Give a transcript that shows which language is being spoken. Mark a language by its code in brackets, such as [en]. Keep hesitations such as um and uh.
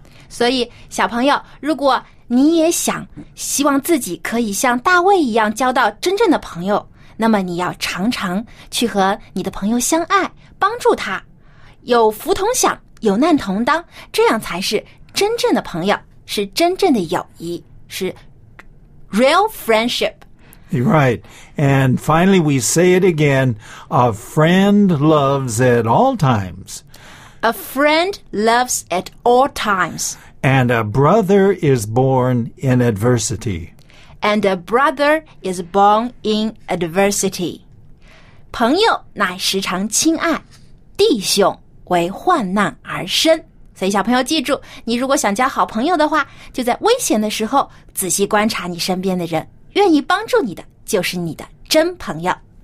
[zh] 所以，小朋友，如果你也想希望自己可以像大卫一样交到真正的朋友。那么你要常常去和你的朋友相爱，帮助他，有福同享，有难同当，这样才是真正的朋友，是真正的友谊，是 [en] real friendship. You're right. And finally, we say it again a friend loves at all times. A friend loves at all times. And a brother is born in adversity. And a brother is born in adversity. [zh] 朋友乃时常亲爱，弟兄为患难而生。所以小朋友记住，你如果想交好朋友的话，就在危险的时候仔细观察你身边的人，愿意帮助你的就是你的真朋友。